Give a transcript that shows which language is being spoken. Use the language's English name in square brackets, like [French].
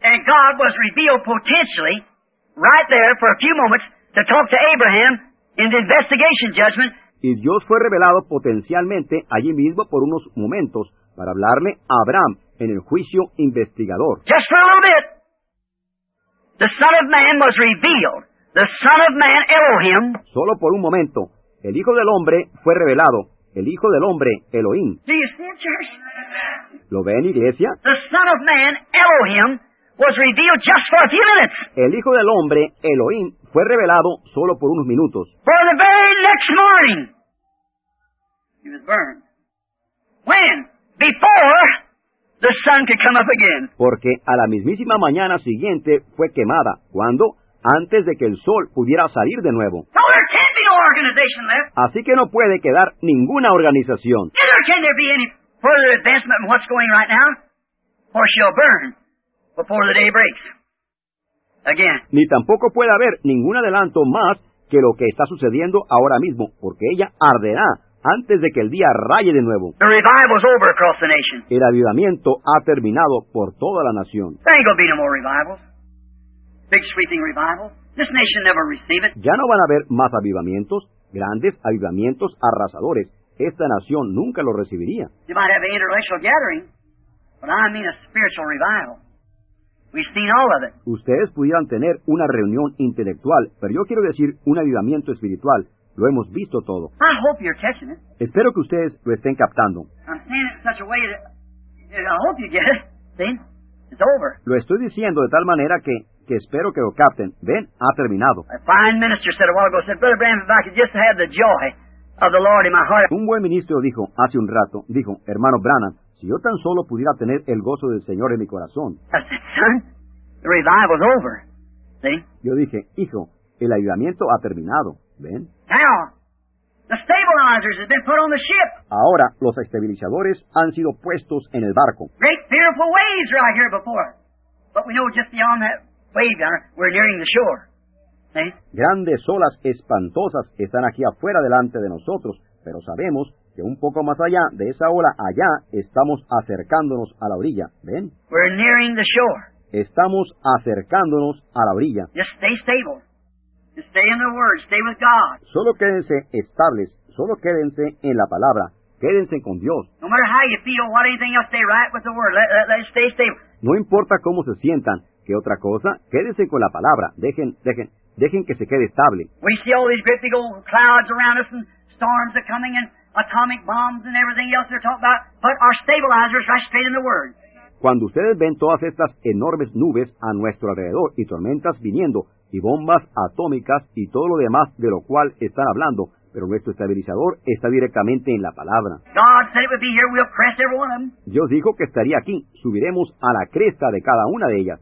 [English] And God was revealed potentially right there for a few moments to talk to Abraham in the investigation judgment. [Spanish] Y Dios fue revelado potencialmente allí mismo por unos momentos para hablarle a Abraham en el juicio investigador. [English] Just for a little bit. The Son of Man was revealed. The Son of Man, Elohim. [Spanish] Solo por un momento. El Hijo del Hombre fue revelado. El Hijo del Hombre, Elohim. [English] Do you see it, church? [Spanish] ¿Lo ven, iglesia? [English] The Son of Man, Elohim, was revealed just for a few minutes. [Spanish] El Hijo del Hombre, Elohim, fue revelado solo por unos minutos. [English] For the very next morning, he was burned. When? Before the sun could come up again. [Spanish] Porque a la mismísima mañana siguiente fue quemada. ¿Cuándo? Antes de que el sol pudiera salir de nuevo. [English] So there can't be no organization left. [Spanish] Así que no puede quedar ninguna organización. [English] Neither can there be any further advancement in what's going right now, or she'll burn before the day breaks. Again. [Spanish] Ni tampoco puede haber ningún adelanto más que lo que está sucediendo ahora mismo, porque ella arderá antes de que el día raye de nuevo. [English] The revival's over across the nation. [Spanish] El avivamiento ha terminado por toda la nación. [English] There ain't gonna be no more revivals. Big sweeping revival. This nation never received it. [Spanish] Ya no van a haber más avivamientos, grandes avivamientos arrasadores. Esta nación nunca lo recibiría. [English] You might have an intellectual gathering, but I mean a spiritual revival. We've seen all of it. [Spanish] Ustedes pudieran tener una reunión intelectual, pero yo quiero decir un avivamiento espiritual. Lo hemos visto todo. [English] I hope you're catching it. [Spanish] Espero que ustedes lo estén captando. [English] I'm saying it in such a way that I hope you get it. See? It's over. [Spanish] Lo estoy diciendo de tal manera que espero que lo capten. Ven, ha terminado. [English] A fine minister said a while ago, said, Brother Branham, if I could just have the joy of the Lord in my heart. [Spanish] Un buen ministro dijo hace un rato, dijo, hermano Branham, si yo tan solo pudiera tener el gozo del Señor en mi corazón. [English] I said, son, the revival's over. See? [Spanish] Yo dije, hijo, el avivamiento ha terminado. ¿Ven? [English] Now, the stabilizers have been put on the ship. [Spanish] Ahora, los estabilizadores han sido puestos en el barco. [English] Great fearful waves right here before. But we know just beyond that wave, we're nearing the shore. See? [Spanish] Grandes olas espantosas están aquí afuera delante de nosotros, pero sabemos que un poco más allá de esa ola, allá, estamos acercándonos a la orilla. ¿Ven? [English] We're nearing the shore. [Spanish] Estamos acercándonos a la orilla. [English] Just stay stable. Just stay in the Word. Stay with God. [Spanish] Solo quédense estables. Solo quédense en la palabra. Quédense con Dios. [English] No matter how you feel, what anything else, stay right with the Word. Let's stay stable. [Spanish] No importa cómo se sientan, qué otra cosa, quédense con la palabra. Dejen que se quede estable. [English] We see all these great big old clouds around us and storms are coming and atomic bombs and everything else they're talking about, but our stabilizer is right straight in the Word. [Spanish] Cuando ustedes ven todas estas enormes nubes a nuestro alrededor y tormentas viniendo y bombas atómicas y todo lo demás de lo cual están hablando, pero nuestro estabilizador está directamente en la palabra. [English] God said it would be here. We'll crest every one of them. [Spanish] Dios dijo que estaría aquí. Subiremos a la cresta de cada una de ellas.